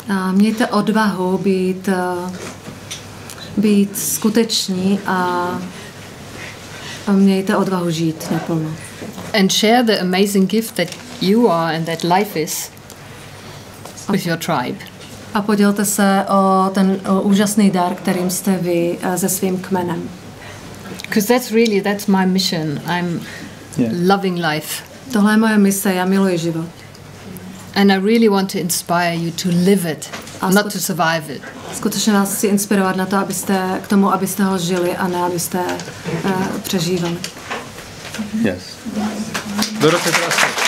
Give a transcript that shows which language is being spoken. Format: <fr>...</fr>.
<cs>Mějte odvahu být být skuteční a mějte odvahu žít naplno.</cs> <en>And share the amazing gift that you are and that life is with your tribe.</en> <cs>A podělte se o ten úžasný dar, kterým jste vy se svým kmenem.</cs> <en>Because that's my mission. I'm loving life.</en> <cs>Tohle je moje mise, já miluji život.</cs> <en>And I really want to inspire you to live it, not to survive it.</en> <cs>Skutečně vás chci inspirovat na to, abyste k tomu, abyste ho žili a ne abyste přežívali.</cs> <en>Yes. Dorothe Trassl.</en>